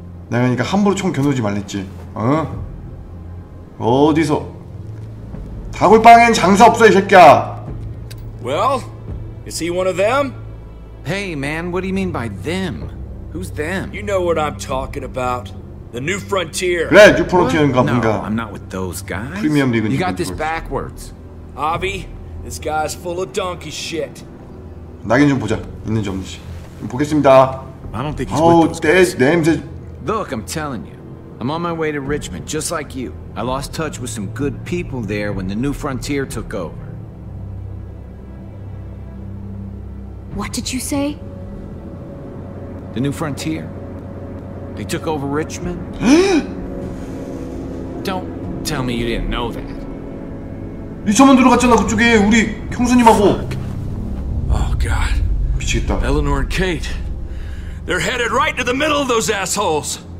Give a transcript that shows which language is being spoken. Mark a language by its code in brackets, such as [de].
[ko] 내가 그러니까 함부로 총 겨누지 말랬지. 어? 어디서? 다굴방엔 장사 없어 이 새끼야. [en] Well, is he one of them? Hey man, what do you mean by them? Who's them? You know what I'm talking about. The New Frontier. [ko] 그래, 뉴 프론티어인가 뭔가. [en] No, I'm not with those guys. [ko] 프리미엄 리그. [en] You got this backwards. Avi, this guy's full of donkey shit. [ko] 낙인 좀 보자. 있는지 없는지. 보겠습니다. [en] I don't think he's with those guys. [ko] 냄새. [en] Look, I'm telling you. I'm on my way to Richmond, just like you. I lost touch with some good people there when the New Frontier took over. What did you say? The New Frontier. They took over Richmond? Don't tell me you didn't know that. [ko] 리처먼드로 갔잖아 그쪽에 우리 형수님하고. [en] Fuck. Oh god. [ko] 미치겠다. [en] Eleanor and Kate. They're headed right to the middle of those assholes.